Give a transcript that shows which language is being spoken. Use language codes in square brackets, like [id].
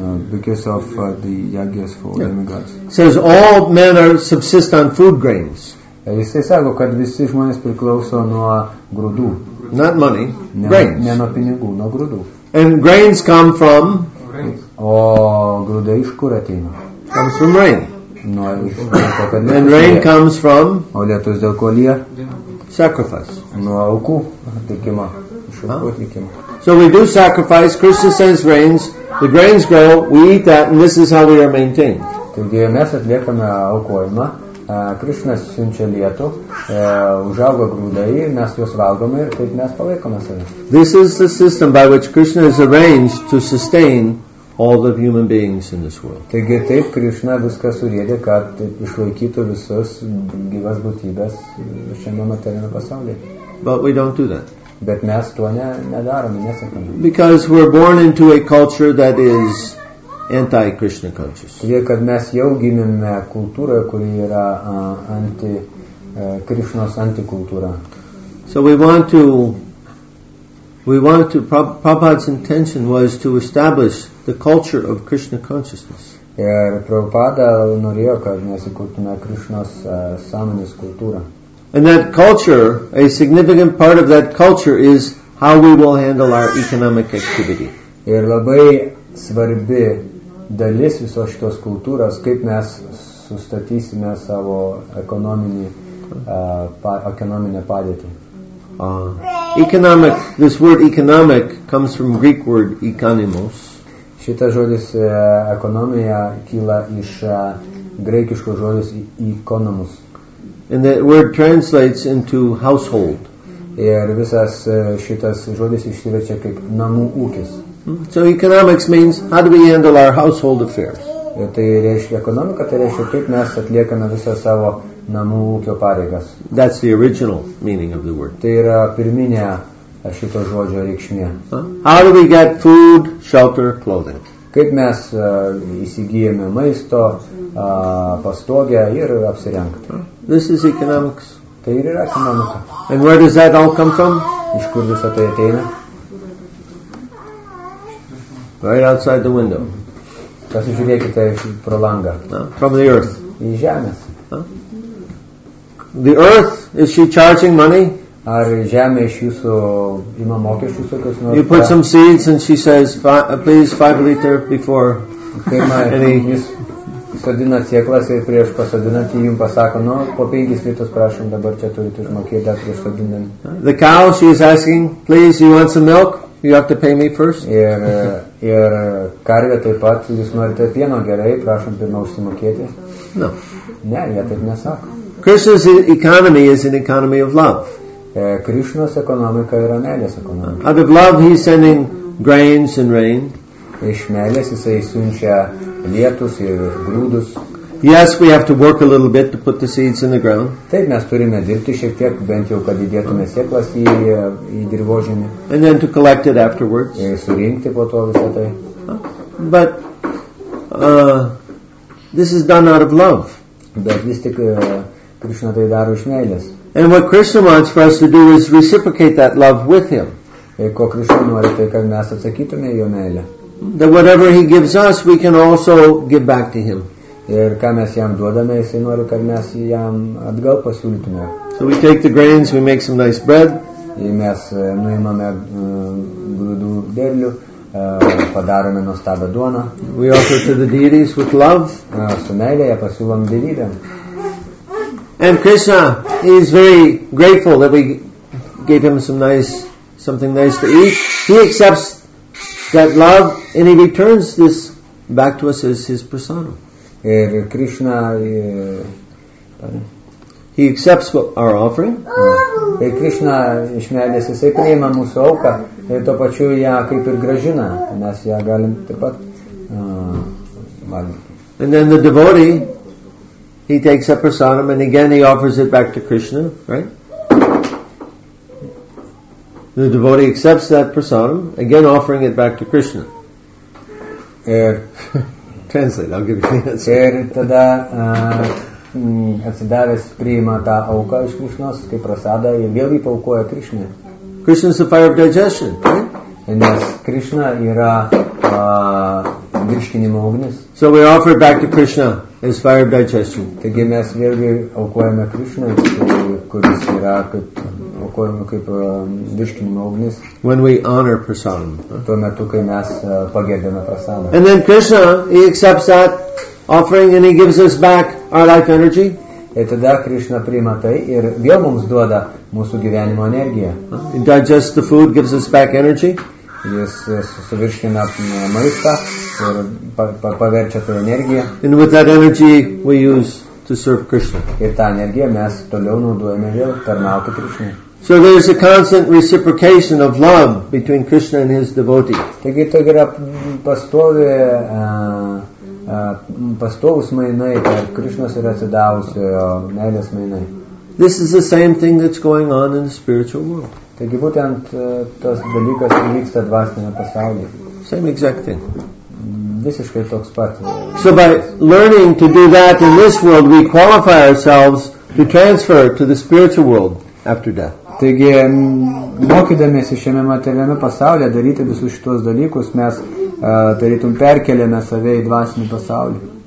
[en] Because of the yagyas for demigods. Says all men are subsist on food grains. [lt] Jisai sako, kad visi žmonės priklauso nuo grūdų. [en] Not money, grains. [lt] Ne nuo pinigų, nuo grūdų. [en] And grains come from? [lt] O grūdai iš kur ateina? [en] Comes from rain. [lt] Nuo iš to, kad lietus. [en] And rain comes from? [lt] O lietus dėl ko lyja? [en] Sacrifice. [lt] Nuo aukų atlikimo. Iš aukų atlikimo. [en] So we do sacrifice, Krishna says rains, the grains grow, we eat that, and this is how we are maintained. [lt] Taigi mes atliekame aukojimą. Krishna siunčia lietų, užaugo grūdai, mes juos valgome ir taip mes palaikome save. [en] This is the system by which Krishna is arranged to sustain all the human beings in this world. [lt] Taigi taip Krishna viską surėdė, kad išlaikytų visus gyvas būtybės šiame materinio pasaulyje. [en] But we don't do that. [lt] Bet mes to nedarome, nesakome. [en] Because we're born into a culture that is anti-Krishna conscious. [lt] Todėl, kad mes jau gimėme kultūroje, kuri yra Krishnos antikultūra. [en] So we want to Prabhupada's intention was to establish the culture of Krishna consciousness. [lt] Ir Prabhupada norėjo, kad mes įkurtume Krishnos sąmonės kultūrą. [en] And that culture, a significant part of that culture is how we will handle our economic activity. [lt] Ir labai svarbi dalis visos šitos kultūros, kaip mes sustatysime savo ekonominę padėtį. [en] Economic, this word economic comes from Greek word ekonomos. [lt] Šitas žodis ekonomija kyla iš graikiško žodis ekonomos. [en] And that word translates into household. [lt] Ir visas šitas žodis išsiverčia kaip namų ūkis. [en] So economics means how do we handle our household affairs? [lt] Tai reiškia ekonomika, tai reiškia kaip mes atliekame visą savo namų ūkio pareigas. [en] That's the original meaning of the word. [lt] Tai yra pirminė šito žodžio reikšmė. [en] How do we get food, shelter, clothing? [lt] Kaip mes įsigijame maisto, pastogę ir apsirengti. [en] This is economics. [lt] Tai yra ekonomika. [en] And where does that all come from? [lt] Iš kur visą tai ateina? [en] Right outside the window. [lt] Pasižiūrėkite pro langą. [en] From the earth. [lt] Į žemės. [en] The earth, is she charging money? [lt] Ar žemė iš jūsų ima mokesčius kokius nors? [en] You put some seeds and she says, please 5 liter before any. [lt] Jūs sodinat sėklas ir prieš pasodinant jį jums pasako, nu, po 5 litus prašom, dabar čia turite išmokėti dar prieš sodinant. [en] The cow, she is asking, please, you want some milk? You have to pay me first. [lt] Ir karvė taip pat, jūs norite pieno, gerai, prašom pirma užsimokėti. [en] No. [lt] Ne, jie taip nesako. [en] Krishna's economy is an economy of love. [lt] Krishna's ekonomika yra meilės ekonomika. [en] Out of love he's sending grains and rain. [lt] Iš meilės jisai siunčia lietus ir grūdus. [en] Yes, we have to work a little bit to put the seeds in the ground. [lt] Taip, mes turime dirbti šiek tiek, bent jau kad įdėtume sėklas į dirvožemį. [en] And then to collect it afterwards. [lt] Ir surinkti po to visą tai. [en] But this is done out of love. [lt] Bet vis tik Krishna tai daro iš meilės. [en] And what Krishna wants for us to do is reciprocate that love with him. [lt] Ir ko Krishna nori, tai kad mes atsakytume jo meilę. [en] That whatever he gives us, we can also give back to him. [lt] Ir ką mes jam duodame, jisai nori, kad mes jam atgal pasiūlytume. [en] So we take the grains, we make some nice bread. [lt] Ir mes nuimame grūdų derlių, padarome nuostabią duoną. [en] We offer to the deities with love. [lt] Su meilė ją pasiūlom dievybėm. [en] And Krishna is very grateful that we gave him some nice, something nice to eat. He accepts that love and he returns this back to us as his persona. [lt] Ir Krishna, [en] he accepts our offering. [lt] Ir Krishna iš meilės jisai priima mūsų auką ir tuo pačiu ją kaip ir gražina. Mes ją galim taip pat valgyti. [en] And then the devotee, he takes up prasadam and again he offers it back to Krishna, right? The devotee accepts that prasadam, again offering it back to Krishna. Translate, I'll give you the answer. [lt] Ir tada atsidavęs priima tą auką iš Krishnos kaip prasadą ir vėl jį paukoja Krishna. [en] Krishna is the fire of digestion, right? And yes, [lt] Krishna yra virškinimo ugnis. [en] So we offer it back to Krishna as fire of digestion. [lt] Taigi mes vėlgi aukojame Krishna, kuris yra kaip aukojame kaip virškinimo ugnis. [en] When we honor prasadam. [lt] Tuo metu, kai mes pagerbėme prasadam. [en] And then Krishna, he accepts that offering and he gives us back our life energy. [lt] Ir tada Krishna priima tai ir vėl mums duoda mūsų gyvenimo energiją. [en] He digests the food, gives us back energy. [lt] Jis suvirškina maistą ir paverčia tą energiją. [en] And with that energy we use to serve Krishna. [lt] Ir tą energiją mes toliau naudojame vėl tarnauti Krishna. [en] So there is a constant reciprocation of love between Krishna and his devotee. [lt] Taigi tai yra pastovi pastovus mainai tarp Krishnos ir atsidavusiojo meilės mainai. [en] This is the same thing that's going on in the spiritual world. [lt] Taigi būtent tas dalykas vyksta dvasinėme pasaulyje. [en] Same exact thing. [lt] Visiškai toks pat. [en] So by learning to do that in this world, we qualify ourselves to transfer to the spiritual world after death. [lt] Taigi, mokydamiesi šiame materialiame pasaulyje daryti visus šitos dalykus, mes tarytum perkeliame save į dvasinį pasaulį.